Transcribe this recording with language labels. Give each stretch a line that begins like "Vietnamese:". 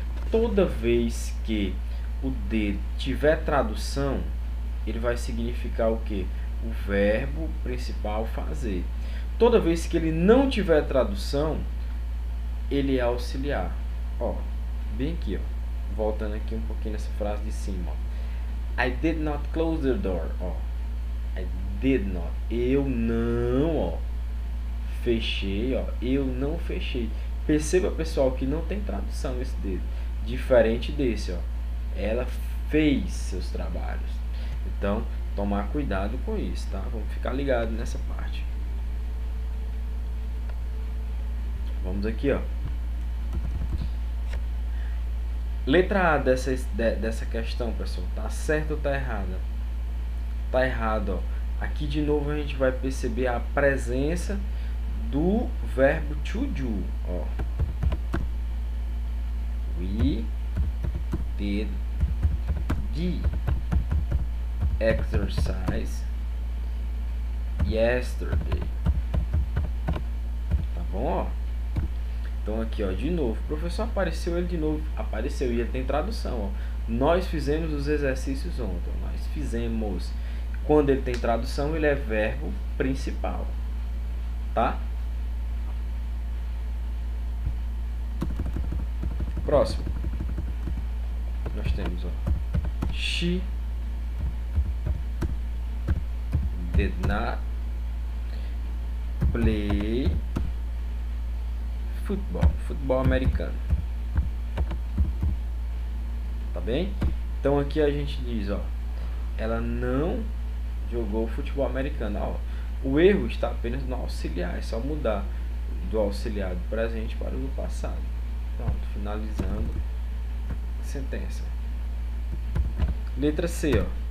Portuguese: Toda vez que o de tiver tradução, ele vai significar o quê? O verbo principal fazer. Toda vez que ele não tiver tradução, ele é auxiliar. Ó, bem aqui, ó. Voltando aqui um pouquinho nessa frase de cima, ó.
English: I did not close the door, ó. I did not.
Portuguese: Eu não, ó. Fechei, ó. Eu não fechei. Perceba, pessoal, que não tem tradução esse dedo. Diferente desse, ó. Ela fez seus trabalhos. Então, tomar cuidado com isso, tá? Vamos ficar ligado nessa parte. Vamos aqui, ó. Letra A dessa questão, pessoal, tá certo ou tá errada? Tá errado, ó. Aqui de novo a gente vai perceber a presença do verbo to do, ó.
English: We did the exercise yesterday.
Portuguese: Tá bom, ó? Então aqui, ó, de novo. O professor apareceu ele de novo. Apareceu e ele tem tradução, ó. Nós fizemos os exercícios ontem. Nós fizemos. Quando ele tem tradução, ele é verbo principal. Tá? Próximo. Nós temos, ó.
English: She did not play football,
Portuguese: futebol americano. Tá bem? Então aqui a gente diz, ó, ela não jogou futebol americano. Ó, o erro está apenas no auxiliar, é só mudar do auxiliar do presente para o do passado. Pronto, finalizando a sentença. Letra C, ó.